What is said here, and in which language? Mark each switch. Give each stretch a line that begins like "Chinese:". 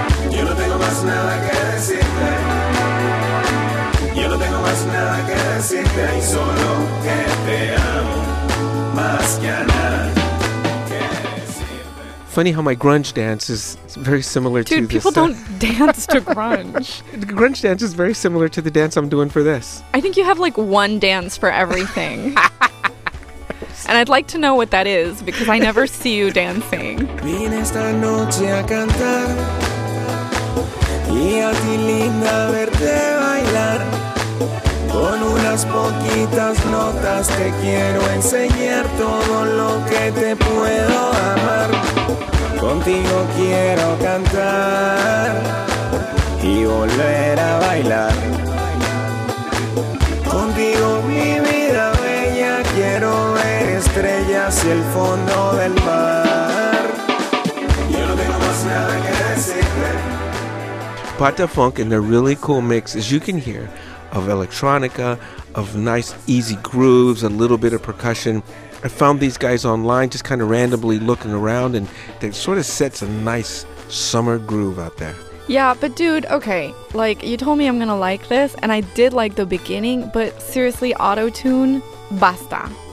Spanish: Yo no tengo más nada que decirte. Yo no tengo más. es la gracia que hay solo que te amo más que a nadie.
English: Funny how my grunge dance is very similar to this. Dude, people don't dance to grunge. Grunge dance is very similar to the dance I'm doing for this. I think you have like one dance for everything. And I'd like to know what that is because I never see you dancing.
Spanish: Vine esta noche a cantar y a ti linda verte bailar con unas poquitas notas te quiero enseñar todo lo que te puedo amar. Contigo quiero cantar y volver a bailar. Contigo mi vida bella, quiero ver estrellas y el fondo del mar. Yo no tengo más nada que decirte.
English: Pata Funk in a really cool mix, as you can hear, of electronica, of nice easy grooves, a little bit of percussion. I found these guys online just kind of randomly looking around, and that sort of sets a nice summer groove out there. Yeah, but dude, okay, like you told me I'm gonna like this, and I did like the beginning, but seriously, auto-tune, basta.